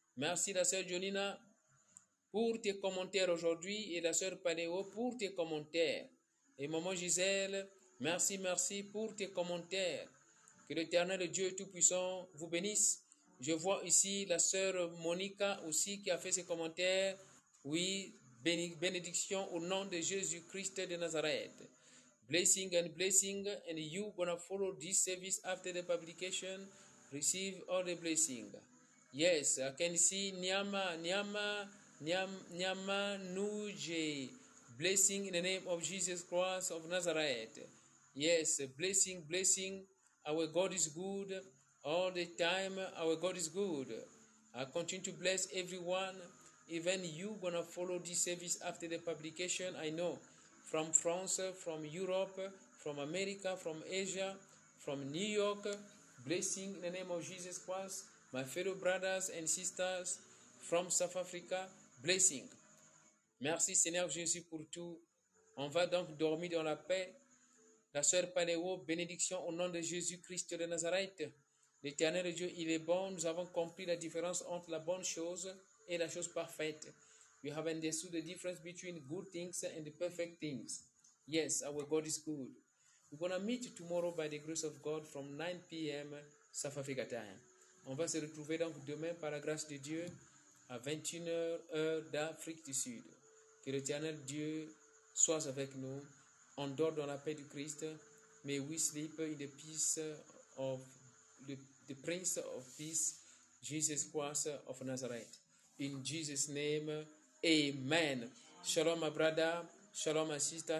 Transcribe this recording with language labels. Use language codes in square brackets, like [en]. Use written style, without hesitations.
[fr] Merci la sœur Jonina pour tes commentaires aujourd'hui et la sœur Paleo pour tes commentaires. Et Maman Gisèle, merci, merci pour tes commentaires. Que l'Éternel Dieu Tout-Puissant vous bénisse. Je vois ici la sœur Monica aussi qui a fait ses commentaires. Oui, bénédiction au nom de Jésus-Christ de Nazareth. [en] Blessing and blessing, and you gonna follow this service after the publication. Receive all the blessing. Yes, I can see Nyama Nuje. Blessing in the name of Jesus Christ of Nazareth. Yes, blessing. Our God is good. All the time, our God is good. I continue to bless everyone. Even you gonna follow this service after the publication, I know. From France, from Europe, from America, from Asia, from New York. Blessing in the name of Jesus Christ. My fellow brothers and sisters from South Africa, blessing. [fr] Merci Seigneur Jésus pour tout. On va donc dormir dans la paix. La sœur Paléo, bénédiction au nom de Jésus-Christ de Nazareth. L'Éternel Dieu, il est bon. Nous avons compris la différence entre la bonne chose et la chose parfaite. [en] You have understood the difference between good things and the perfect things. Yes, our God is good. We're going to meet tomorrow by the grace of God from 9 p.m. South Africa time. [fr] On va se retrouver donc demain par la grâce de Dieu à 21h heure d'Afrique du Sud. Que l'Éternel Dieu soit avec nous. On dort dans la paix du Christ. [en] May we sleep in the peace of the Prince of Peace, Jesus Christ of Nazareth. In Jesus' name, amen. Shalom, my brother. Shalom, my sister.